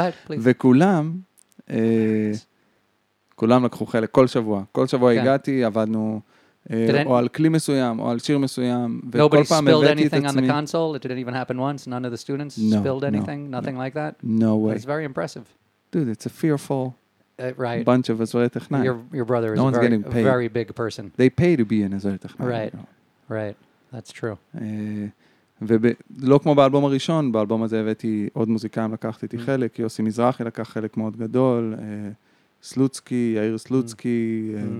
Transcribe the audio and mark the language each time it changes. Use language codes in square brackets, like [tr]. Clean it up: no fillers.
[he] וכולם, כולם לקחו חלק, כל שבוע. כל שבוע הגעתי, עבדנו או על כלי מסוים, או על שיר מסוים, וכל פעם הבאתי את עצמי. [en] Nobody spilled anything on the console? It didn't even happen once? None of the students spilled anything? Nothing like that? No way. It's very impressive. Dude, it's a fearful right. bunch of עזרי טכנאי. Your brother is a very, very big person. They pay to be an עזרי טכנאי. Right, right. That's true. [he] ולא כמו באלבום הראשון, באלבום הזה הבאתי עוד מוזיקאים, לקחתי איתי חלק, יוסי מזרחי לקח חלק מאוד גדול, סלוצקי, יאיר סלוצקי,